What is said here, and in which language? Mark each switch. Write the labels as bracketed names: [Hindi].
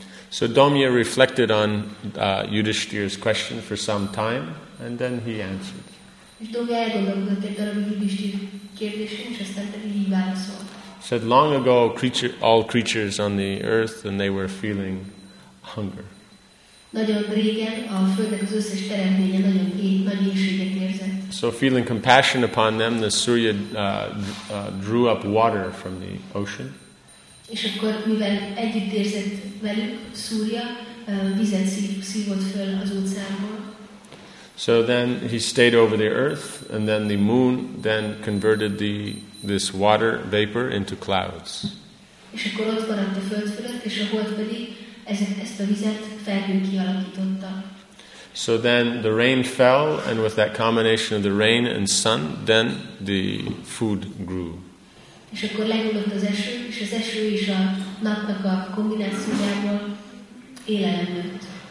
[English] So Domya reflected on Yudhishthira's question for some time, and then he answered. [Hungarian] És Domya elgondolkodott egy darabig Yudhishthira kérdésén, és aztán pedig így válaszolt. [English] Said long ago, all creatures on the earth, and they were feeling hunger. [Hungarian] Nagyon régen a földnek az összes teremtménye nagy éhséget érzett. [English] So feeling compassion upon them, the Surya drew up water from the ocean. [Hungarian] És akkor mivel együtt érzett velük, Surya vizet szívott föl az óceánból. [English] So then he stayed over the earth, and then the moon then converted this water vapor into clouds. [Hungarian] És akkor ott maradt a föld fölött, és a hold pedig ezt a vizet felhő kialakította. [English] So then the rain fell, and with that combination of the rain and sun, then the food grew. [Hungarian] És akkor lehullott az eső, és az eső és a napnak a kombinációjából élelem nőtt.